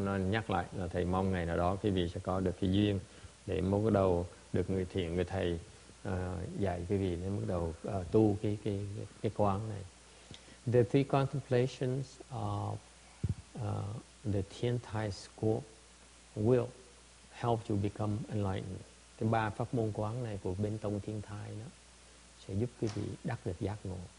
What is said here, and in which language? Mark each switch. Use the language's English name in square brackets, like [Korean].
[Vietnamese] Nhắc lại là thầy mong ngày nào đó quý vị sẽ có được cái duyên để bắt đầu được người thiện người thầy. Dạy quý vị nên bắt đầu tu cái quán này. [English] The three contemplations of the Tiantai school will help you become enlightened. [Vietnamese] Thì ba pháp môn quán này của bên tông Tiantai đó sẽ giúp quý vị đắc được giác ngộ.